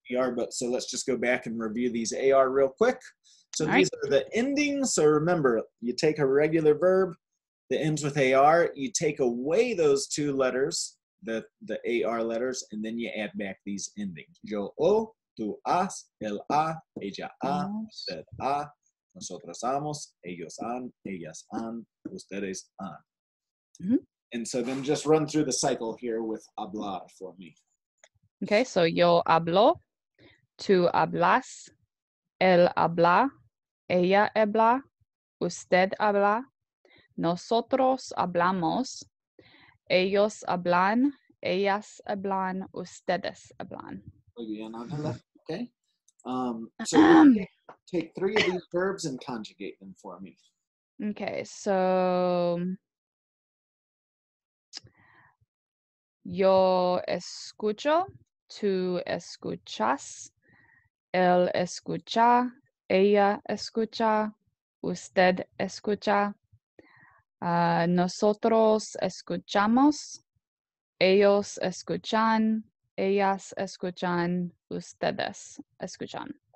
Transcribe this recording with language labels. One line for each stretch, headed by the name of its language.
English: AR, but so let's just go back and review these AR real quick. So all these are the endings. So remember, you take a regular verb that ends with AR, you take away those two letters, the AR letters, and then you add back these endings.
Spanish: Yo o, tú has, él ha, ella ha, usted ha. Nosotros amos, ellos han, ellas han, ustedes han. Mm-hmm.
English: And so then just run through the cycle here with hablar for me.
Spanish: Okay, so yo hablo, tú hablas, él habla, ella habla, usted habla, nosotros hablamos, ellos hablan, ellas hablan, ustedes hablan. Muy bien, Angela. Okay.
English: Take three of these verbs and conjugate them for me.
Spanish: Okay, so yo escucho, tú escuchas, él escucha, ella escucha, usted escucha, nosotros escuchamos, ellos escuchan, ellas escuchan, ustedes escuchan.